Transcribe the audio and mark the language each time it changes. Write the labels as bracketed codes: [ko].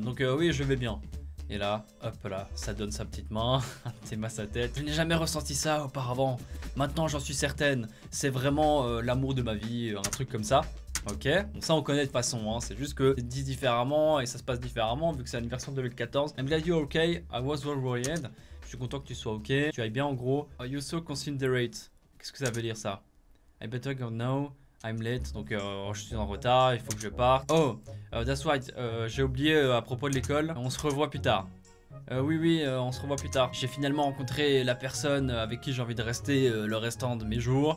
[fr] Donc, oui, je vais bien. Et là, hop là, ça donne sa petite main, t'aimes sa tête. Je n'ai jamais ressenti ça auparavant. Maintenant, j'en suis certaine. C'est vraiment l'amour de ma vie, un truc comme ça. Ok, bon, ça on connaît de façon, hein. C'est juste que c'est dit différemment et ça se passe différemment vu que c'est une version de 2014. [en] I'm glad you're okay, I was worried. [fr] Je suis content que tu sois ok, tu ailles bien en gros. [en] Are you so considerate? [fr] Qu'est-ce que ça veut dire ça? [en] I better go now, I'm late. [fr] Donc je suis en retard, il faut que je parte. [en] Oh, that's right, [fr] j'ai oublié à propos de l'école. On se revoit plus tard. On se revoit plus tard. J'ai finalement rencontré la personne avec qui j'ai envie de rester le restant de mes jours.